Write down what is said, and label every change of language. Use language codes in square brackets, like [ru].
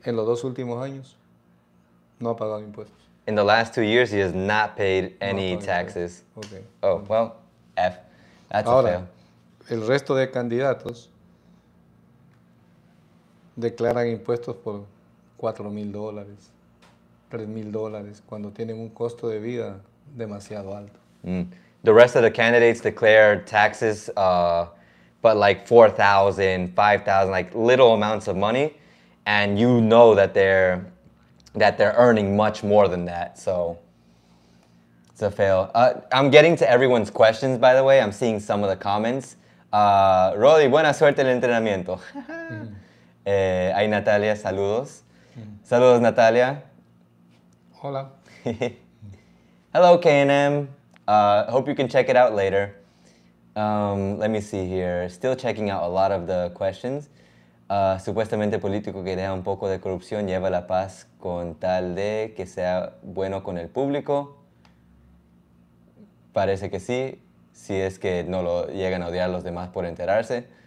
[es] En los dos últimos años, no ha pagado impuestos. [en] In the last 2 years, he has not paid any taxes. Okay. Oh, well, F. That's [es] ahora, [en] a fail. [es] El resto de candidatos declaran impuestos por $4,000, $3,000, cuando tienen un costo de vida demasiado alto. Mm. [en] The rest of the candidates declare taxes, but like $4,000, $5,000, like little amounts of money, and you know that they're earning much more than that, so it's a fail. I'm getting to everyone's questions, by the way. I'm seeing some of the comments. [es] Rodi, buena suerte en el entrenamiento. Hay Natalia, saludos. Saludos, Natalia. Hola. [en] Hello, K&M. Hope you can check it out later. Let me see here. Still checking out a lot of the questions. [es] Supuestamente político que deja un poco de corrupción lleva la paz con tal de que sea bueno con el público. Parece que sí. Si es que no lo llegan a odiar los demás por enterarse.